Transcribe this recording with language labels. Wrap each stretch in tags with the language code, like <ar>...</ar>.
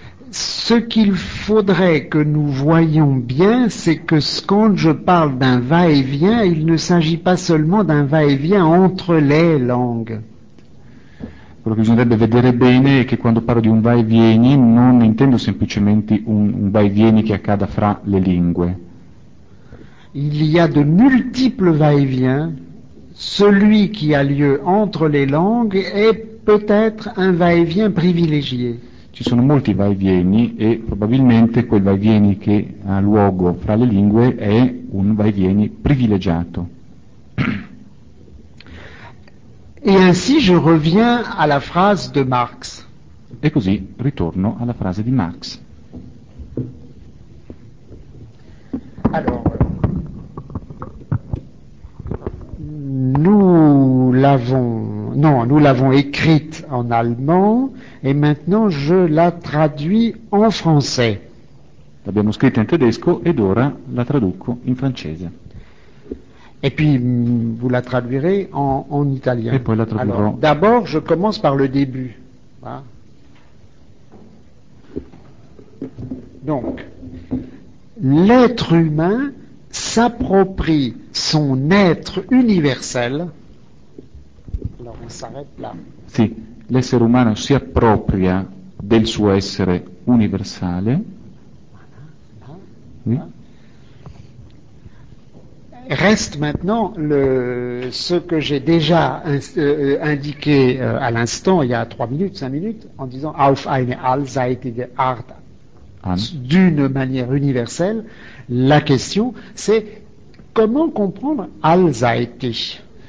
<fr>Ce qu'il faudrait que nous voyions bien, c'est que quand je parle d'un va et vient, il ne s'agit pas seulement d'un va et vient entre les langues.</fr> <it>Quello che bisognerebbe vedere bene è che quando parlo di un va e vieni non intendo semplicemente un va e vieni che accada fra le lingue.</it> <fr>Il y a de multiples va et viens. Celui qui a lieu entre les langues è peut-être un va e vien privilégié.</fr> <it>Ci sono molti va e vieni e probabilmente quel va e vieni che ha luogo fra le lingue è un va e vieni privilegiato.</it> <fr>Et ainsi je reviens à la phrase de Marx.</fr> <it>E così ritorno alla frase di Marx.</it> <fr>Alors, nous l'avons écrite en allemand et maintenant je la traduis en français.</fr> <it>L'abbiamo scritta in tedesco ed ora la traduco in francese.</it> <fr>Et puis, vous la traduirez en italien. Et puis, la traduirons. Alors, d'abord, je commence par le début. Voilà. Donc, l'être humain s'approprie son être universel. Alors, on s'arrête là.</fr> <it>Si, l'essere umano si appropria del suo essere universale.</it> <fr>Oui? Reste maintenant ce que j'ai déjà indiqué à l'instant, il y a 3 minutes, 5 minutes, en disant</fr> <de>auf eine allseitige Art,</de> <fr>d'une manière universelle, la question, c'est comment comprendre allseitig.</fr>